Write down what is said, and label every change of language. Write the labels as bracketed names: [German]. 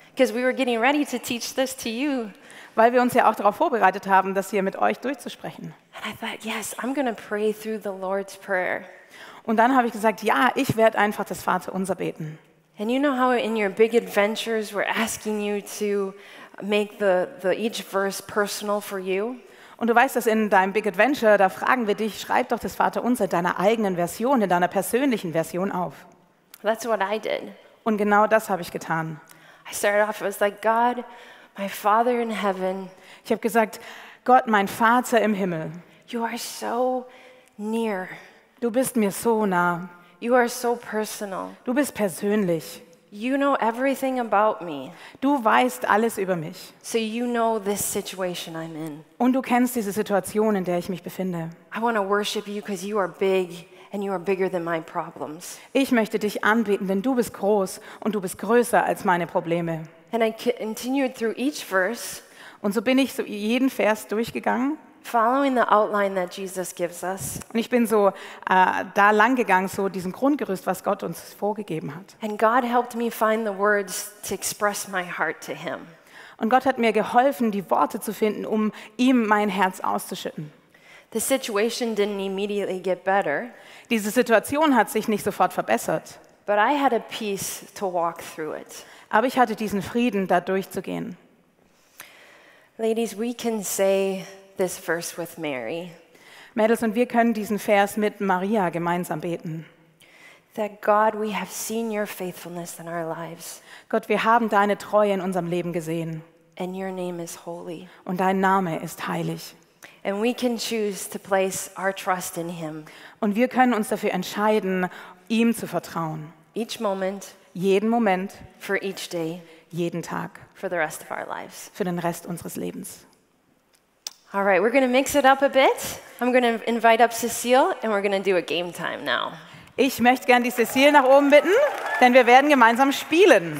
[English] Because we were getting ready to teach this to you. [German] Weil wir uns ja auch darauf vorbereitet haben, das hier mit euch durchzusprechen. [English] And I thought, yes, I'm going to pray through the Lord's Prayer. [German] Und dann habe ich gesagt, ja, ich werde einfach das Vaterunser beten. [English] And you know how in your big adventures we're asking you to make the each verse personal for you? [German] Und du weißt, dass in deinem Big Adventure, da fragen wir dich, schreib doch das Vaterunser in deiner eigenen Version, in deiner persönlichen Version auf. [English] That's what I did. [German] Und genau das habe ich getan. [English] I started off, I was like, God, my Father in heaven. [German] Ich habe gesagt, Gott, mein Vater im Himmel. [English] You are so near. [German] Du bist mir so nah. [English] You are so personal. [German] Du bist persönlich. [English] You know everything about me. [German] Du weißt alles über mich. [English] So you know this situation I'm in. [German] Und du kennst diese Situation, in der ich mich befinde. [English] I want to worship you because you are big and you are bigger than my problems. [German] Ich möchte dich anbeten, denn du bist groß und du bist größer als meine Probleme. [English] And I continued through each verse. [German] Und so bin ich so jeden Vers durchgegangen. [English] Following the outline that Jesus gives us. [German] Und ich bin so da lang gegangen, so diesem Grundgerüst, was Gott uns vorgegeben hat. [English] And God helped me find the words to express my heart to him. [German] Und Gott hat mir geholfen, die Worte zu finden, um ihm mein Herz auszuschütten. [English] The situation didn't immediately get better. [German] Diese Situation hat sich nicht sofort verbessert. [English] But I had a peace to walk through it. [German] Aber ich hatte diesen Frieden, da durchzugehen. [English] Ladies, we can say this verse with Mary. [German] Mädels, und wir können diesen Vers mit Maria gemeinsam beten. [English] That God, we have seen your faithfulness in our lives. [German] Gott, wir haben deine Treue in unserem Leben gesehen. [English] And your name is holy. [German] Und dein Name ist heilig. [English] And we can choose to place our trust in him. [German] Und wir können uns dafür entscheiden, ihm zu vertrauen. [English] Each moment. [German] Jeden Moment. [English] For each day. [German] Jeden Tag. [English] For the rest of our lives. [German] Für den Rest unseres Lebens. [English] All right, we're going to mix it up a bit. I'm going to invite up Cecile and we're going to do a game time now. [German] Ich möchte gerne die Cecile nach oben bitten, denn wir werden gemeinsam spielen.